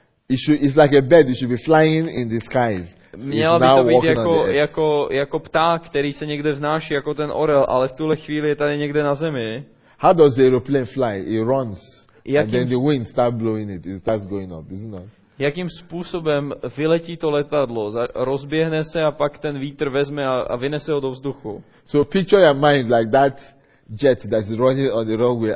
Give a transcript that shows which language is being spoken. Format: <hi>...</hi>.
<en>It's like a bird. It should be flying in the skies.</en> <cs>Měla by to být jako pták, který se někde vznáší jako ten orel, ale v tuhle chvíli je tady někde na zemi.</cs> <en>How does the aeroplane fly? It runs. And then the wind starts blowing it. It starts going up, isn't it?</en> <cs>Jakým způsobem vyletí to letadlo? Rozběhne se a pak ten vítr vezme a vynese ho do vzduchu.</cs> <en>So picture your mind like that jet that's running on the runway.</en>